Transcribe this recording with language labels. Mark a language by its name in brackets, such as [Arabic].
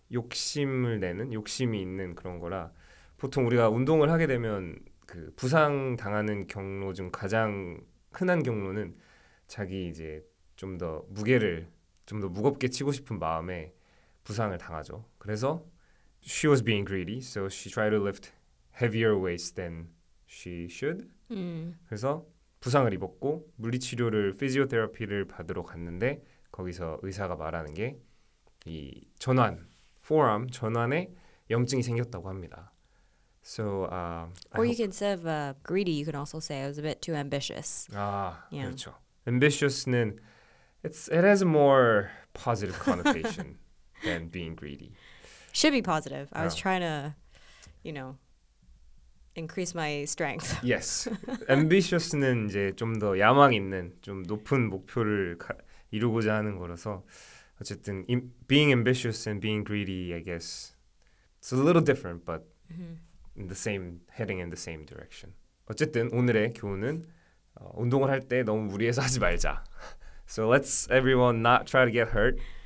[Korean] 욕심을 내는, 욕심이 있는 그런 거라 보통 우리가 운동을 하게 되면 그 부상 당하는 경로 중 가장 흔한 경로는 자기 이제 좀 더 무게를 좀 더 무겁게 치고 싶은 마음에 부상을 당하죠. 그래서 [English] she was being greedy, so she tried to lift heavier weights than she should. [Korean] 그래서 부상을 입었고 물리치료를, 피지오테라피를 받으러 갔는데 거기서 의사가 말하는 게 이 전환, [English] forearm [Korean] 전환에 염증이 생겼다고 합니다. [English] So, or you can say greedy. You can also say I was a bit too ambitious. [Korean] 아, [English] yeah. [Korean] 그렇죠. [English] Ambitious [Korean] 는 [English] it has a more positive connotation than being greedy. Should be positive. I was trying to, you know, increase my strength. Yes, ambitious는 [Korean] 이제 좀 더 야망 있는, 좀 높은 목표를 이루고자 하는 거라서. 어쨌든 [English] being ambitious and being greedy, I guess, it's a little different, but in the same, heading in the same direction. [Korean] 어쨌든 오늘의 교훈은 운동을 할 때 너무 무리해서 하지 말자. [English] So let's everyone not try to get hurt.